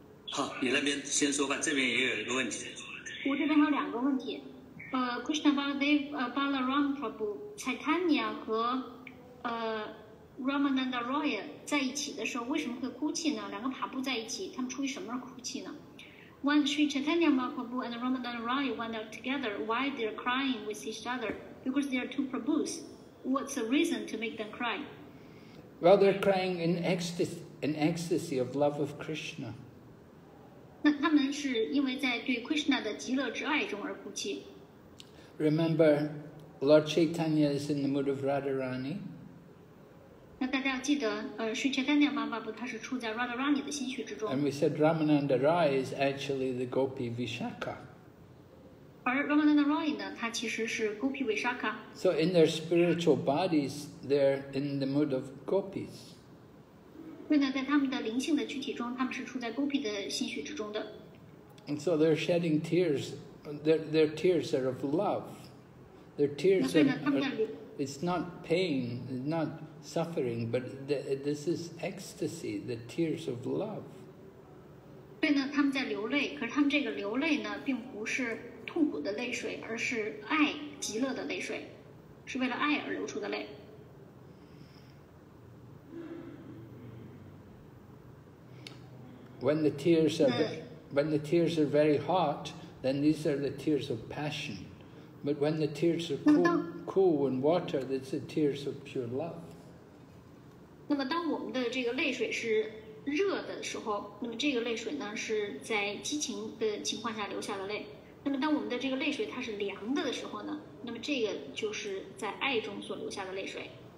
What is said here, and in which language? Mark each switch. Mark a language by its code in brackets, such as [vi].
[zh] 好，你那边先说吧，这边也有一个问题。我这边还有两个问题。Krishna Baladev, Balaram Prabhu, Caitanya 和Ramananda Roy 在一起的时候为什么会哭泣呢？两个爬布在一起，他们出于什么而哭泣呢？ [en] When Sri Chaitanya Mahaprabhu and Ramananda Roy went out together, why they're crying with each other? Because they are two Prabhus. What's the reason to make them cry? Well, they're crying in ecstasy of love of Krishna. [zh] 那他们是因为在对 Krishna 的极乐之爱中而哭泣。 [en] Remember, Lord Chaitanya is in the mood of Radharani. [zh] 那大家要记得，Sri Chaitanya Mahaprabhu 他是处在 Radharani 的心绪之中。 [en] And we said Ramananda Rai is actually the Gopi Vishakha. [zh] 而 Ramananda Rai 呢，他其实是 Gopi Vishakha. [en] So in their spiritual bodies, they're in the mood of Gopis. [zh] 所以呢，在他们的灵性的躯体中，他们是处在 Gopi 的心绪之中的。 [en] And so they're shedding tears. Their tears are of love. Their tears are. It's not pain. It's not. Suffering, but this is ecstasy, the tears of love. [zh] 对呢，他们在流泪，可是他们这个流泪呢，并不是痛苦的泪水，而是爱极乐的泪水，是为了爱而流出的泪。 [en] When the tears are very hot, then these are the tears of passion. But when the tears are cool in water, that's the tears of pure love. [zh] 那么当我们的这个泪水是热的时候，那么这个泪水呢是在激情的情况下流下的泪。那么当我们的这个泪水它是凉的时候呢，那么这个就是在爱中所流下的泪水。